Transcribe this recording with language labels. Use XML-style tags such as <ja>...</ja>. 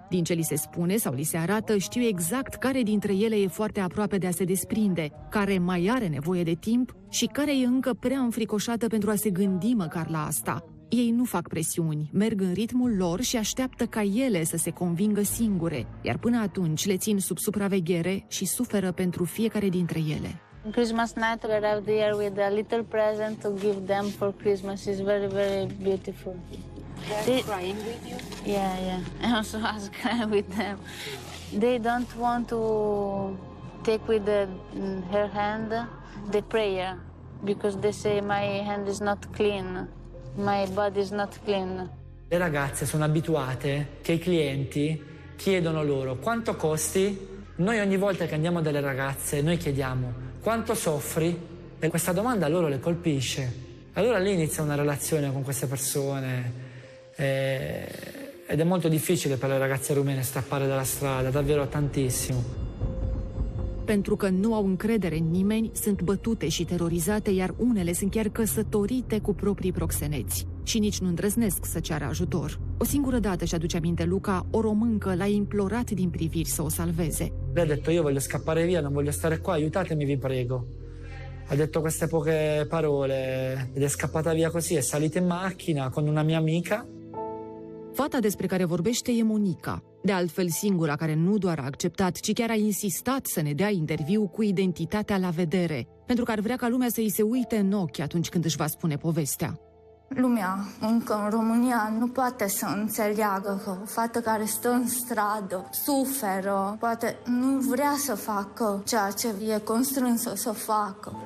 <ro>Din ce li se spune sau li se arată, știu exact care dintre ele e foarte aproape de a se desprinde, care mai are nevoie de timp și care e încă prea înfricoșată pentru a se gândi măcar la asta. Ei nu fac presiuni, merg în ritmul lor și așteaptă ca ele să se convingă singure, iar până atunci le țin sub supraveghere și suferă pentru fiecare dintre ele.</ro> <en>On Christmas night we arrive there with a little present to give them for Christmas. It's very, very beautiful. They're crying with you? Yeah, yeah. I also was crying with them. They don't want to take with her hand the prayer because they say my hand is not clean. My body is not clean.</en> <it>Le ragazze sono abituate che i clienti chiedono loro quanto costi. Noi ogni volta che andiamo dalle ragazze noi chiediamo quanto soffri, e questa domanda loro le colpisce. Allora lì inizia una relazione con queste persone ed è molto difficile per le ragazze rumene strappare dalla strada, davvero tantissimo.</it> <ro>Pentru că nu au încredere în nimeni, sunt bătute și terorizate, iar unele sunt chiar căsătorite cu proprii proxeneți. Și nici nu îndrăznesc să ceară ajutor. O singură dată își aduce aminte Luca, o româncă l-a implorat din priviri să o salveze.</ro> <it>Le-a detto, eu voglio scappare via, non voglio stare qua, aiutatemi, vi prego. Ha detto queste poche parole ed è scappata via così, è salita in macchina con una mia amica.</it> <ro>Fata despre care vorbește e Monica. De altfel, singura care nu doar a acceptat, ci chiar a insistat să ne dea interviu cu identitatea la vedere, pentru că ar vrea ca lumea să îi se uite în ochi atunci când își va spune povestea. Lumea, încă în România, nu poate să înțeleagă că o fată care stă în stradă, suferă, poate nu vrea să facă ceea ce e constrânsă să facă.</ro>